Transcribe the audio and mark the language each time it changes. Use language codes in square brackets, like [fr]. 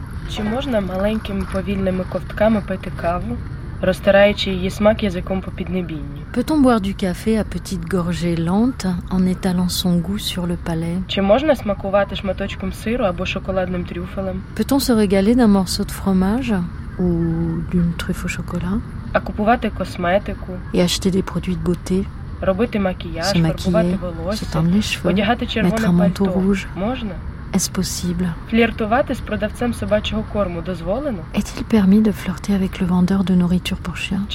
[uk] Чи можна маленькими повільними ковтками пити каву, розтираючи її смак язиком по піднебінні? [fr] Peut-on boire du café à petites gorgées lentes en étalant son goût sur le palais? [uk] Чи можна смакувати шматочком сиру або шоколадним трюфелем? [fr] Peut-on se régaler d'un morceau de fromage ou d'une truffe au chocolat? [uk] А купувати косметику? [fr] Et acheter des produits de beauté? [uk] Робити макіяж, [fr] se [uk] маркувати волосся, [fr] se teindre les cheveux, [uk] одягати червоне [fr] mettre un manteau rouge? [uk] Можна? [fr] Est-ce possible? [uk] Флиртувати з продавцем собачого корму дозволено? [fr] Est-il permis de flirter avec le vendeur de nourriture pour chien?